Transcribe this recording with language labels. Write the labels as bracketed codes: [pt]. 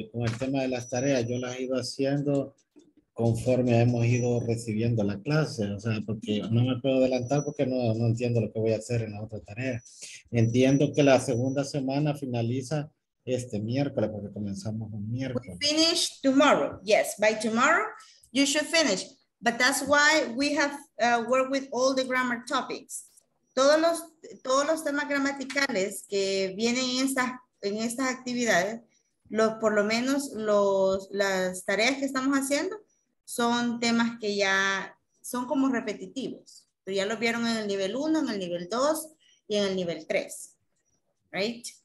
[es] Con el tema de las tareas, yo las iba haciendo conforme hemos ido recibiendo la clase, o sea, porque no me puedo adelantar porque no entiendo lo que voy a hacer en la otra tarea. Entiendo que la segunda semana finaliza este miércoles, porque comenzamos un miércoles. [en] We finish tomorrow, yes, by tomorrow you should finish. But that's why we have worked with all the grammar topics. [es] todos los temas gramaticales que vienen en estas actividades, las tareas que estamos haciendo son temas que ya son como repetitivos, pero ya los vieron en el nivel 1, en el nivel 2 y en el nivel 3. Right?